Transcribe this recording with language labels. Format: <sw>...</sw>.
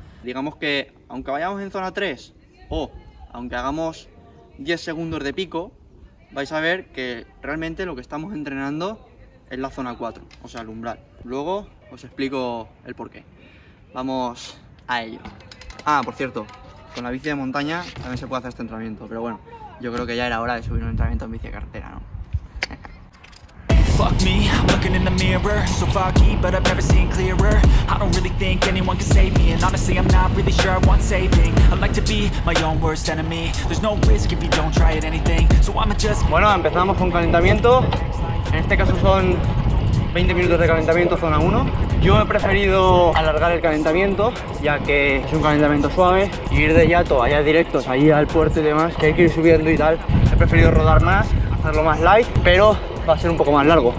<es>Digamos que aunque vayamos en zona 3 o aunque hagamos 10 segundos de pico, vais a ver que realmente lo que estamos entrenando es la zona 4, o sea el umbral. Luego os explico el porqué. Vamos a ello. Ah, por cierto, con la bici de montaña también se puede hacer este entrenamiento, pero bueno, yo creo que ya era hora de subir un entrenamiento en bici de carretera, ¿no?</es> <en>Fuck me, looking in the mirror, so foggy, but I've never seen clearer. I don't really think anyone can save me, and honestly, I'm not really sure I want saving. I'd like to be my own worst enemy. There's no risk if you don't try it anything. So I'ma just.</en> <es>Bueno, empezamos con calentamiento. En este caso son 20 minutos de calentamiento, zona 1. Yo he preferido alargar el calentamiento, ya que es un calentamiento suave, y ir de yato allá directos, allí al puerto y demás, que hay que ir subiendo y tal. He preferido rodar más, hacerlo más light, pero va a ser un poco más largo.</es>